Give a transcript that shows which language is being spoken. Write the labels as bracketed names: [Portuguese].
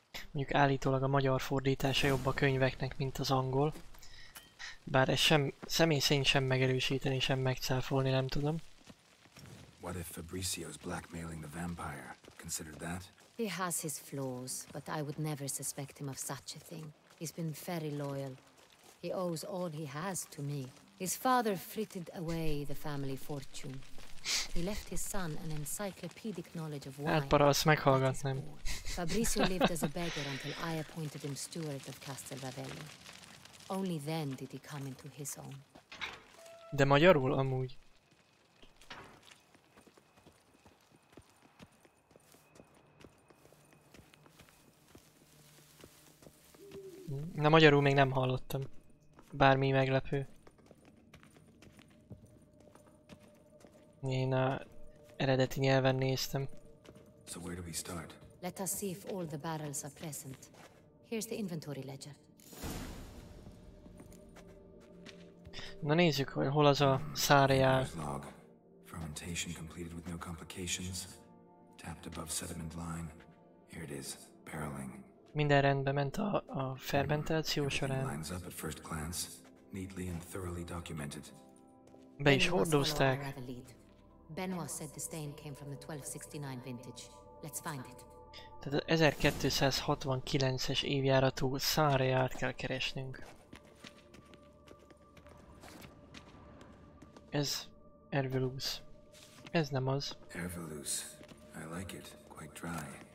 [Hungarian] Mondjuk állítólag a magyar fordítása jobb a könyveknek, mint az angol. Bár ez sem, személy szerint sem megerősíteni, sem megcáfolni, nem tudom. [English] What if Fabrizio's blackmailing the vampire? Consider that? He has his flaws, but I would never suspect him of such a thing. He's been very loyal. He owes all he has to me. His father frittered away the family fortune. He left his son an encyclopedic knowledge of wine. [Hungarian] Hát parasz, meghallgatnám. [English] Fabrizio lived as a beggar until I appointed him steward of Castel Ravello. Only then did he come into his own. [Hungarian] De magyarul amúgy. Na magyarul még nem hallottam. Bármi meglepő. Én a eredeti nyelven néztem. [English] So where do we start? Let us see if all the barrels are present. Here's the inventory ledger. [Hungarian] Na nézzük, hogy hol az a Sonreal. [English] Log. Fermentation completed with no complications. Tapped above sediment line. Here it is, barreling. [Hungarian] Minden rendben ment a fermentáció során. [English] Lines up at first glance, neatly and thoroughly documented. [Hungarian] Be is hordozták. [English] Benoit said the stain came from the 1269 vintage. Let's find it. [Hungarian] Tehát az 1269-es évjáratú Sonreal-t kell keresnünk. Ez Ervilus. Ez nem az. [English] Ervilus. I like it. Quite dry.